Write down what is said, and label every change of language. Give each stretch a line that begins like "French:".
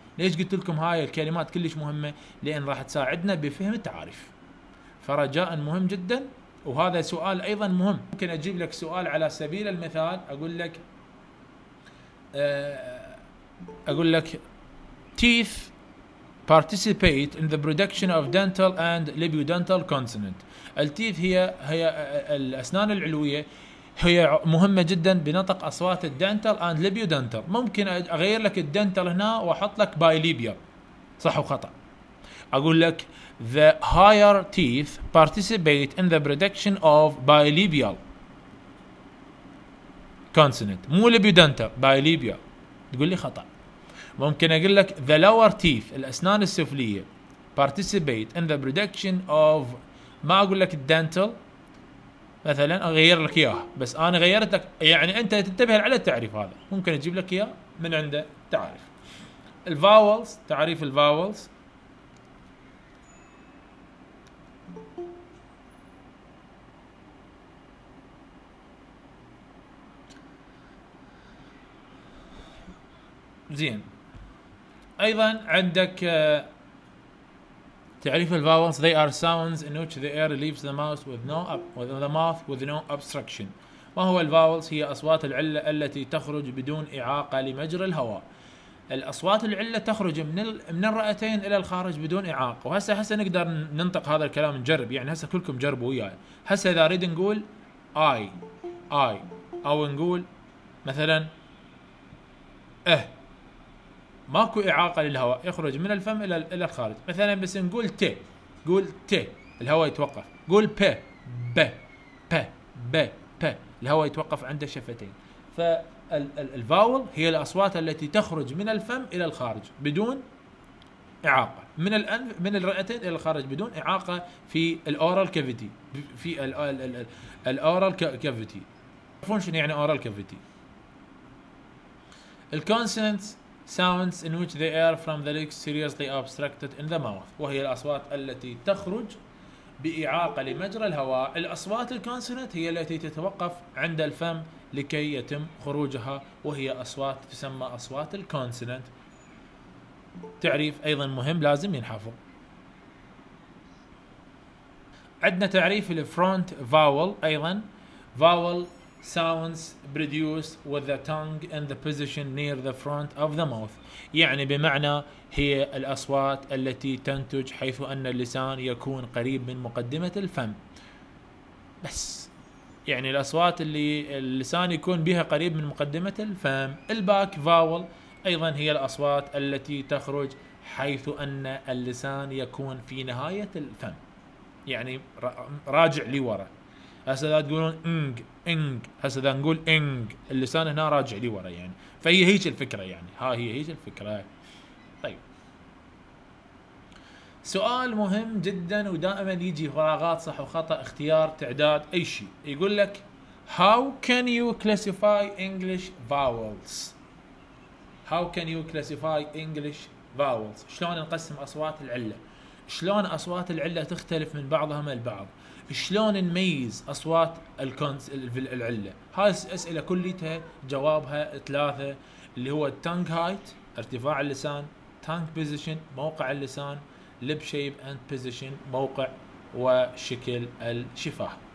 Arabic: ليش قلت لكم هاي الكلمات كلش مهمة؟ لأن راح تساعدنا بفهم التعاريف، فرجاء مهم جدا. وهذا سؤال أيضا مهم، ممكن أجيب لك سؤال على سبيل المثال، أقول لك teeth
English: participate in the production of dental and labiodental consonant.
Arabic: التيث هي الأسنان العلوية هي مهمة جدا بنطق أصوات الدنتال
English: and labiodental.
Arabic: ممكن أغير لك الدنتال هنا وأحط لك bilabial صح وخطأ. أقول لك
English: the higher teeth participate in the production of bilabial consonant
Arabic: مو
English: labiodental bilabial.
Arabic: تقول لي خطأ. ممكن أقول لك
English: the lower teeth
Arabic: الأسنان السفلية
English: participate in the production of,
Arabic: ما أقول لك الدنتال مثلا أغير لك إياه بس أنا غيرت لك يعني أنت تنتبه على التعريف هذا. ممكن أجيب لك إياه من عنده تعريف الفاولز. تعريف الفاولز زين. أيضا عندك تعريف الفاولز.
English: They are sounds in which the air leaves the mouth with no obstruction.
Arabic: ما هو الفاولز؟ هي أصوات العلة التي تخرج بدون إعاقة لمجرى الهواء. الأصوات العلة تخرج من الرئتين إلى الخارج بدون إعاقة. وهسا نقدر ننطق هذا الكلام نجرب يعني هسا كلكم جربوا وياي. هسا إذا أريد نقول I أو نقول مثلا ماكو إعاقة للهواء يخرج من الفم إلى الخارج. مثلا بس نقول تي قول تي الهواء يتوقف. قول ب ب ب ب ب الهواء يتوقف عند الشفتين. فالفاول هي الأصوات التي تخرج من الفم إلى الخارج بدون إعاقة من الأنف من الرئتين إلى الخارج بدون إعاقة في الأورال كافيتي. في الأورال كافيتي تعرفون شنو يعني أورال كافيتي.
English: الكونسنتس sounds in which the air from the lips seriously obstructed in the mouth.
Arabic: وهي الأصوات التي تخرج بإعاقة لمجرى الهواء. الأصوات الكونسونت هي التي تتوقف عند الفم لكي يتم خروجها وهي أصوات تسمى أصوات الكونسونت. تعريف أيضا مهم لازم ينحفظ. عندنا تعريف الفرونت vowel أيضا.
English: vowel sounds produced with the tongue in the position near the front of the mouth.
Arabic: يعني بمعنى هي الأصوات التي تنتج حيث أن اللسان يكون قريب من مقدمة الفم. بس يعني الأصوات اللي اللسان يكون بها قريب من مقدمة الفم. الباك vowel أيضا هي الأصوات التي تخرج حيث أن اللسان يكون في نهاية الفم يعني راجع لورا. هسه ذا تقولون إنج إنج هسه ذا نقول إنج اللسان هنا راجع لي ورا يعني. فهي هيش الفكرة يعني ها هي هيش الفكرة. طيب سؤال مهم جدا ودائما يجي فراغات صح وخطأ اختيار تعداد أي شيء. يقول لك
English: How can you classify English vowels? How can you classify English vowels?
Arabic: شلون نقسم أصوات العلة؟ شلون أصوات العلة تختلف من بعضهم البعض؟ شلون نميز أصوات العلة؟ هاي أسئلة كليتها جوابها ثلاثة اللي هو تانك هايت ارتفاع اللسان, تانك بوزيشن موقع اللسان, ليب شيب اند بوزيشن موقع وشكل الشفاه.